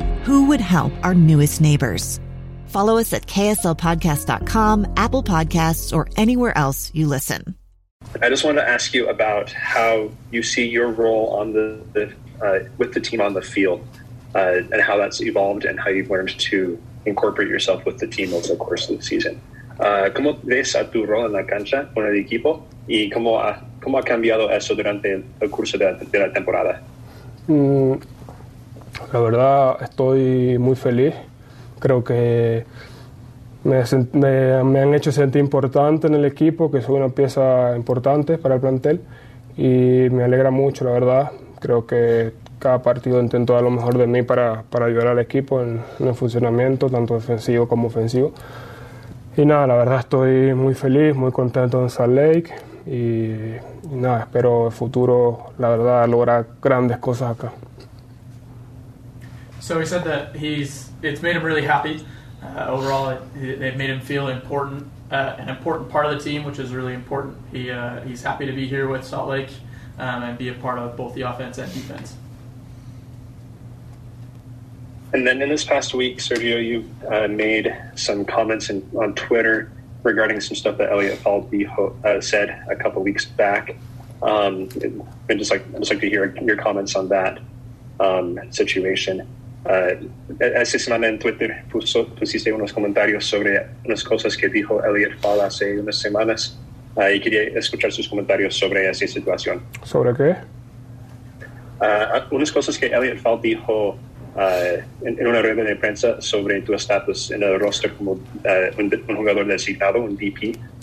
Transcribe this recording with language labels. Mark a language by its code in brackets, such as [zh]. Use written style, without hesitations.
[en] Who would help our newest neighbors? Follow us at kslpodcast.com, Apple Podcasts, or anywhere else you listen. I just want to ask you about how you see your role on with the team on the field, and how that's evolved and how you've learned to incorporate yourself with the team over the course of the season. [es] ¿Cómo ves a tu rol en la cancha con el equipo? ¿Y cómo ha cambiado eso durante el curso de la temporada? La verdad, estoy muy feliz. Creo que me han hecho sentir importante en el equipo, que soy una pieza importante para el plantel. Y me alegra mucho, la verdad. Creo que cada partido intento dar lo mejor de mí para ayudar al equipo en el funcionamiento, tanto defensivo como ofensivo. Y nada, la verdad estoy muy feliz, muy contento en Salt Lake. Y nada, espero el futuro, la verdad, lograr grandes cosas acá. [en] So he said that it's made him really happy. Overall, it made him feel important, an important part of the team, which is really important. He's happy to be here with Salt Lake and be a part of both the offense and defense. And then in this past week, Sergio, you've made some comments on Twitter regarding some stuff that Elliot Falby said a couple weeks back. I'd just like to hear your comments on that situation. [es] Hace semana en Twitter pusiste unos comentarios sobre unas cosas que dijo Elliot Fall hace unas semanas y quería escuchar sus comentarios sobre esa situación. ¿Sobre qué? Unas cosas que Elliot Fall dijo en una rueda de prensa sobre tu estatus en el roster como un jugador designado, un DP.